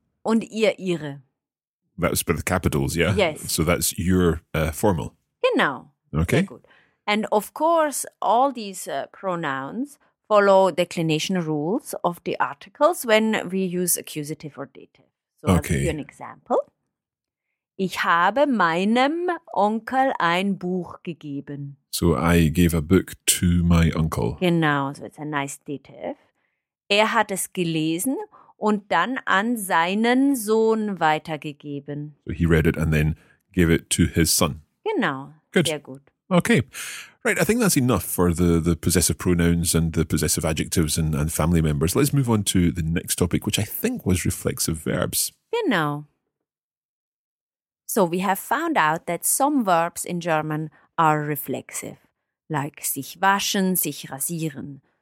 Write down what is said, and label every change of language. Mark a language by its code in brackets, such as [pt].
[de] Und ihr, ihre. [en] That was for the capitals, yeah? Yes. So that's your formal. [de] Genau. [en] Okay. Very good. And of course, all these pronouns follow declination rules of the articles when we use accusative or dative. So okay. I'll give you an example. [de] Ich habe meinem Onkel ein Buch gegeben. [en] So I gave a book to my uncle. Genau, so it's a nice dative. [de] Er hat es gelesen und dann an seinen Sohn weitergegeben. [en] So he read it and then gave it to his son. [de] Genau, [en] good. [de] Sehr gut. [en] Okay, right, I think that's enough for the possessive pronouns and the possessive adjectives and family members. Let's move on to the next topic, which I think was reflexive verbs. Genau. So we have found out that some verbs in German are reflexive, like sich waschen, sich rasieren.